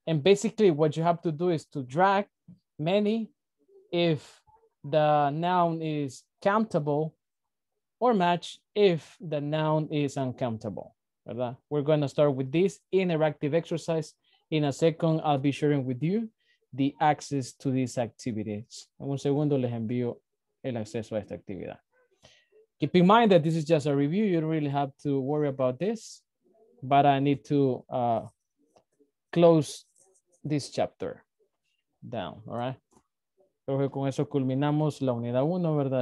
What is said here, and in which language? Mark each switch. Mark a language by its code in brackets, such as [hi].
[en] And basically what you have to do is to drag many if the noun is countable, or match if the noun is uncountable, ¿verdad? We're going to start with this interactive exercise. In a second, I'll be sharing with you the access to these activities. [es] En un segundo les envío el acceso a esta actividad. [en] Keep in mind that this is just a review. You don't really have to worry about this, but I need to close this chapter down, all right? [es] Creo que con eso culminamos la unidad 1, ¿verdad?